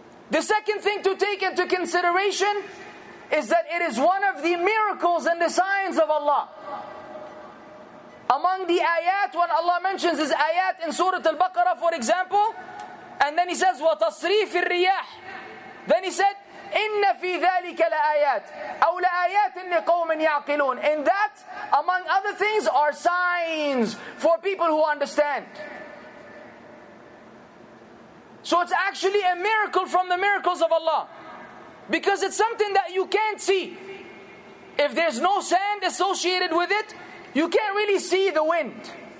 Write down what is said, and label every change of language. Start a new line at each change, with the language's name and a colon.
English: The second thing to take into consideration is that it is one of the miracles and the signs of Allah. Among the ayat, when Allah mentions his ayat in Surah Al-Baqarah, for example, and then he says,
Arabic: وَتَصْرِيفِ الرِّيَاحِ.
English: Then he said,
Arabic: إِنَّ فِي ذَلِكَ لَآيَاتٍ أَوْ لَآيَاتٍ لِقَوْمٍ يَعْقِلُونَ.
English: In that, among other things, are signs for people who understand. So it's actually a miracle from the miracles of Allah. Because it's something that you can't see. If there's no sand associated with it, you can't really see the wind.